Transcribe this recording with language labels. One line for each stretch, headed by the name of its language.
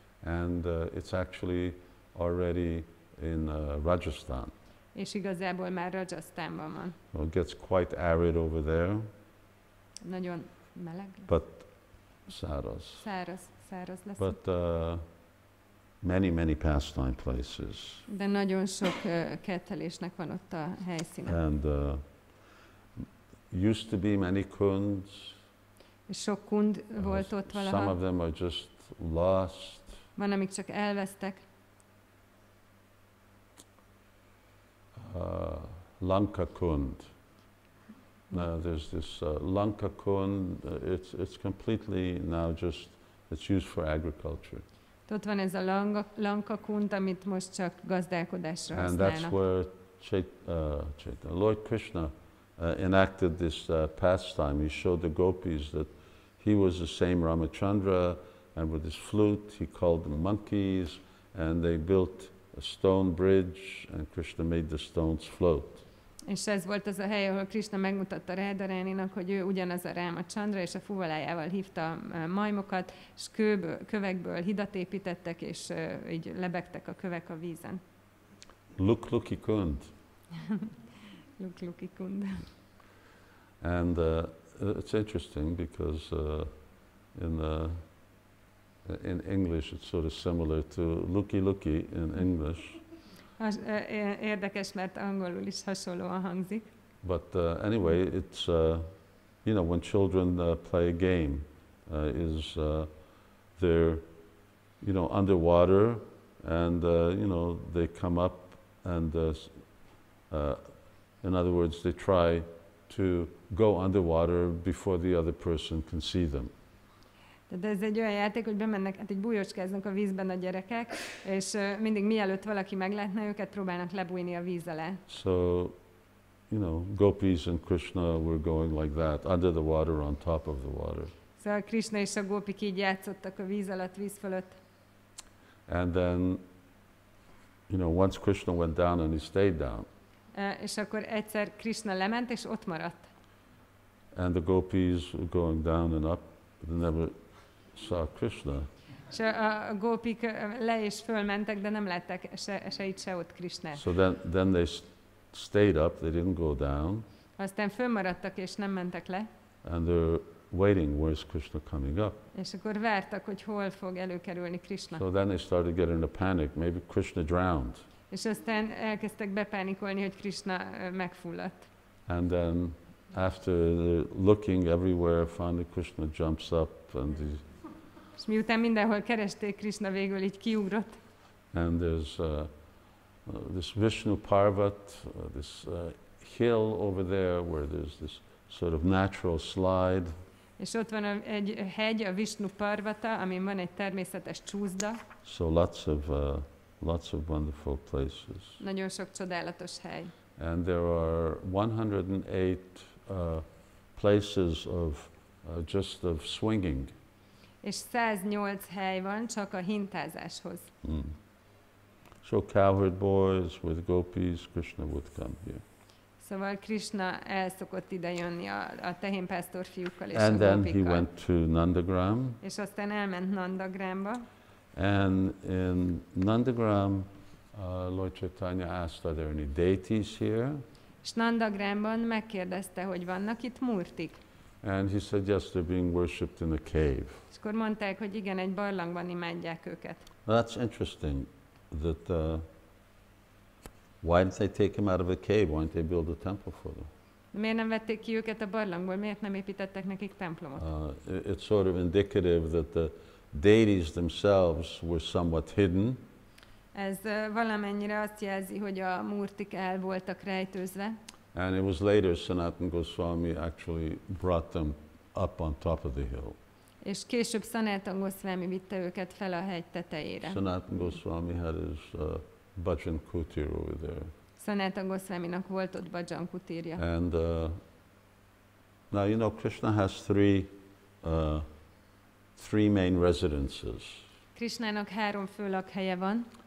English: And it's actually already in Rajasthan.
Hungarian: És igazából már Rajasthanban van.
English: It gets quite arid over there.
Hungarian: Nagyon meleg.
English: But
Hungarian: száraz. Száraz lesz.
English: But many pastime places.
Hungarian: De nagyon sok kertelésnek van ott a helyszíne.
English: And used to be many kunds.
Hungarian: Sok kund volt ott valaha.
English: Some of them are just lost.
Hungarian: Van, amik csak elvesztek.
English: Lanka kund. Now there's this Lanka kund. It's completely now just it's used for agriculture.
Hungarian: Ott van ez a Lanka kund, amit most csak gazdálkodásra használnak.
English: And that's where Lord Krishna enacted this pastime. He showed the gopis that he was the same Ramachandra, and with his flute he called them monkeys, and they built a stone bridge, and Krishna made the stones float.
Hungarian: És ez volt az a hely, ahol Krishna megmutatta Radharaninak, hogy ő ugyanaz a Rámacsandra, és a fuvalájával hívta majmokat, és kövekből hidat építettek, és így lebegtek a kövek a vízen.
English: Lukluki kund.
Hungarian: Lukluki kund.
English: And it's interesting because in English, it's sort of similar to "looky looky" in English.
Hungarian: Érdekes, mert angolul is hasonlóan hangzik.
English: But anyway, it's you know, when children play a game, is they're you know underwater, and you know they come up, and in other words, they try to go underwater before the other person can see them.
Hungarian: De ez egy olyan játék, hogy bemennek, hát így bújócskáznak a vízben a gyerekek, és mindig mielőtt valaki meglátna őket, próbálnak lebújni a víz alá.
English: So, you know, gopis and Krishna were going like that, under the water, on top of the water.
Hungarian: Szóval Krishna és a gopik így játszottak a víz alatt, víz fölött.
English: And then, you know, once Krishna went down and he stayed down.
Hungarian: És akkor egyszer Krishna lement, és ott maradt.
English: And the gopis were going down and up, but they never saw Krishna. So
Hungarian: a gopik le és fölmentek, de nem láttak se itt, se ott Krishna.
English: So then they stayed up, they didn't go down.
Hungarian: Aztán fölmaradtak és nem mentek le.
English: And they're waiting, where is Krishna coming up?
Hungarian: És akkor vártak, hogy hol fog előkerülni Krishna.
English: So then they started getting a panic, maybe Krishna drowned.
Hungarian: És aztán elkezdtek bepánikolni, hogy Krishna megfulladt.
English: And then after looking everywhere, finally Krishna jumps up and he.
Hungarian: És miután mindenhol keresték, Krishna végül így kiugrott.
English: And there's this Vishnu Parvat, this hill over there where there's this sort of natural slide.
Hungarian: És ott van egy hegy, a Vishnu Parvata, amin van egy természetes csúszda.
English: So lots of wonderful places.
Hungarian: Nagyon sok csodálatos hely.
English: And there are 108 places of just of swinging.
Hungarian: És 108 hely van csak a hintázáshoz. Mm.
English: So cowherd boys with gopis, Krishna would come here.
Hungarian: Szóval Krishna el szokott ide jönni a tehénpásztor fiúkkal és
English: and
Hungarian: a
English: then
Hungarian: gopikkal.
English: He went to Nandagram.
Hungarian: És aztán elment Nandagramba.
English: And in Nandagram, Lord Caitanya asked, are there any deities here?
Hungarian: És Nandagramban megkérdezte, hogy vannak itt murtik.
English: And he said, yes, they're being worshipped in a cave.
Hungarian: És akkor mondták, hogy igen, egy barlangban imádják őket.
English: Well, that's interesting that why didn't they take him out of a cave? Why didn't they build a temple for them?
Hungarian: Miért nem vették ki őket a barlangból? Miért nem építettek nekik templomot?
English: It's sort of indicative that the deities themselves were somewhat hidden.
Hungarian: Ez valamennyire azt jelzi, hogy a murtik el voltak rejtőzve.
English: And it was later Sanatan Goswami actually brought them up on top of the hill.
Hungarian: És később Sanatan Goswami vitte őket fel a hegy tetejére.
English: Sanatan Goswami had his bhajan kutir over there.
Hungarian: Sanatan Goswaminak volt ott bhajan kutirja.
English: And now you know Krishna has three main residences.
Hungarian: Krishnának három fő lakhelye van.